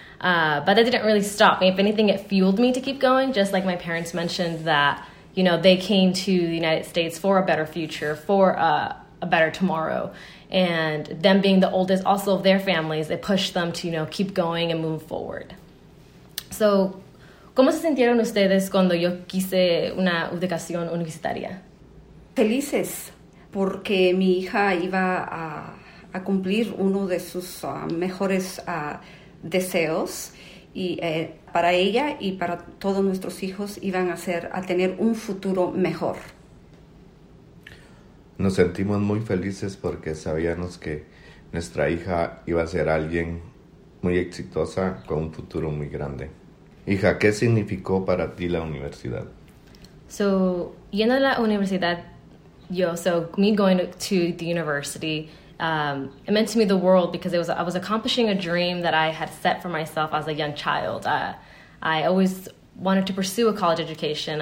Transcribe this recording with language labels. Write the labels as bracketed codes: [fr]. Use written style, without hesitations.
[en] But that didn't really stop me. If anything, it fueled me to keep going. Just like my parents mentioned, that you know they came to the United States for a better future, for a better tomorrow, and them being the oldest, also of their families, it pushed them to, you know, keep going and move forward. So. [es] ¿Cómo se sintieron ustedes cuando yo quise una educación universitaria? Felices, porque mi hija iba a cumplir uno de sus mejores deseos. Y para ella y para todos nuestros hijos iban a tener un futuro mejor. Nos sentimos muy felices porque sabíamos que nuestra hija iba a ser alguien muy exitosa con un futuro muy grande. Hija, ¿qué significó para ti la universidad? [en] So, [es] yendo a la universidad, me [en] going to the university, it meant to me the world because I was accomplishing a dream that I had set for myself as a young child. I always wanted to pursue a college education.